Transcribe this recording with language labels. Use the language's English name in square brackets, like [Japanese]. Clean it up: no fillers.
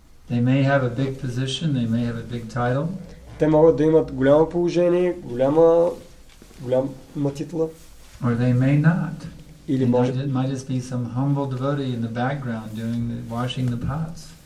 [English] They may have a big position, they may have a big title. [Bulgarian] Те могат да имат голямо положение, голяма титла. [English] Or they may not. [Bulgarian] Или може [English] it might just be some humble devotee in the background doing the washing the pots.